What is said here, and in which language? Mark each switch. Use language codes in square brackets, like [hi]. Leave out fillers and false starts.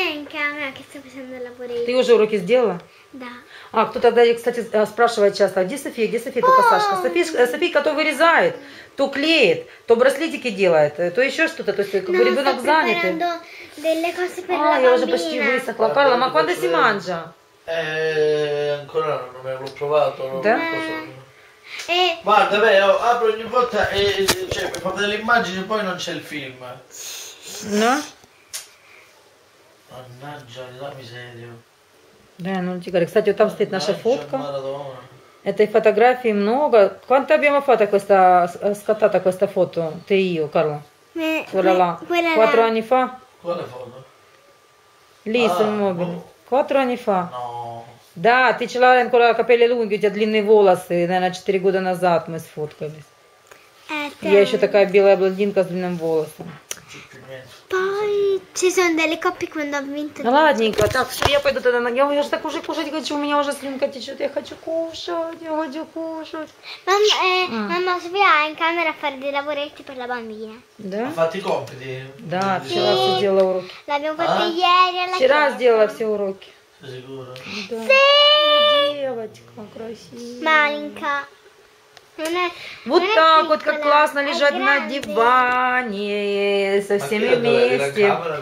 [ru] Савенька, ты уже уроки сделала? Да. А, кто-то, кстати, спрашивает часто, где София, только Сашка? Софийка то вырезает, то клеит, то браслетики делает, то еще что-то. То есть, как бы ребенок занят. А, я уже почти высохла. [it] Карла, ma quando si mangia? Ancora non l'ho provato, non lo so. Guarda, beh, io apro ogni volta e cioè per fare delle immagini poi non c'è il film. No? Mannaggia, la miseria. [ru] Да, ну тигры. Кстати, вот там стоит наша фотка. Этой фотографии много. [it] Quanto abbiamo fatto questa scattata questa foto? [ru] Ты и я, [it] Карло. Quella là. 4 anni fa. Quale foto? Lì sul mobile. 4 anni fa. No. [ru] Да, ты [it] ce l'hai ancora capelli lunghi, [ru] у тебя длинные волосы, наверное, 4 года назад мы сфоткались. Я еще такая белая блондинка с длинным волосом. [it] Poi ci sono delle coppie quando ho vinto. [ru] Ну ладненько, так, все, я пойду тогда на ногу. Я же так уже кушать хочу, у меня уже слюнка течет. Я хочу кушать, я хочу кушать. Мама, собираем камеру, [it] fare dei lavoretti per la bambina. [ru] Да? [it] Ha fatto i compiti? [ru] Да, вчера все делала уроки. [it] L'abbiamo fatto ieri. [ru] Вчера сделала все уроки. [it] Sicuro? Sì! [ru] Девочка красивая. Маленькая. Вот так вот, как классно лежать на диване со всеми вместе.